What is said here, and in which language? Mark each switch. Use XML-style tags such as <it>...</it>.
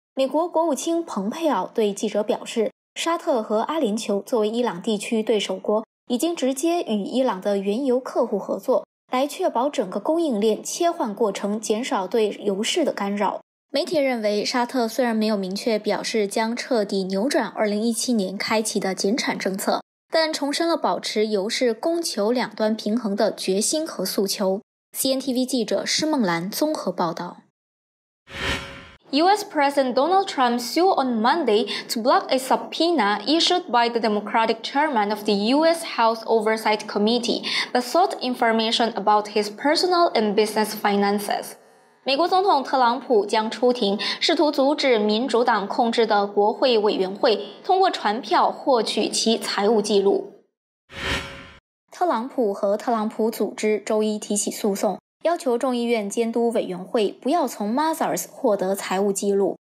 <zh>美国国务卿蓬佩奥对记者表示，沙特和阿联酋作为伊朗地区对手国，已经直接与伊朗的原油客户合作，来确保整个供应链切换过程减少对油市的干扰。媒体认为，沙特虽然没有明确表示将彻底扭转2017年开启的减产政策，但重申了保持油市供求两端平衡的决心和诉求。 CNTV 记者施梦兰综合报道。</zh> <en>U.S. President Donald Trump sued on Monday to block a subpoena issued by the Democratic chairman of the U.S. House Oversight Committee that sought information about his personal and business finances.</en> <zh>美国总统特朗普将出庭，试图阻止民主党控制的国会委员会通过传票获取其财务记录。特朗普和特朗普组织周一提起诉讼，要求众议院监督委员会不要从 Mazars 获得财务记录。</zh>